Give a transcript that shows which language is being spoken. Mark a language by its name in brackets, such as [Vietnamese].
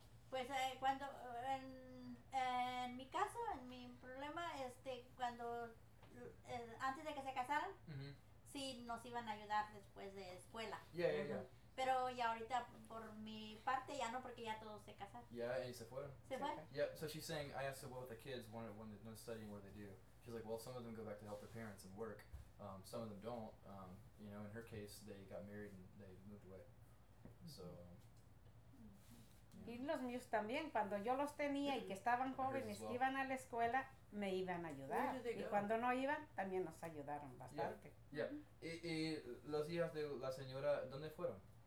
[Spanish] Pues cuando en mi caso, en mi problema, cuando antes de que se casaran, mm-hmm. sí nos iban a ayudar después de escuela. [English] Yeah, yeah, yeah. [Spanish] Pero ya ahorita por mi parte ya no, porque ya todos se casaron. Yeah, y se fueron. Se fueron. [English] Yeah, so she's saying I asked about the kids when they're not studying what they do. She's like, well, some of them go back to help their parents and work. Some of them don't. You know, in her case, they got married and they moved away. So. [Spanish] Y los míos también, cuando yo los tenía y que estaban jóvenes, [English] well. [Spanish] Iban a la escuela, me iban a ayudar. Y cuando no iban, también nos ayudaron bastante. [English] Yeah, yeah. [Spanish] Mm-hmm. Y los hijos de la señora, ¿dónde fueron?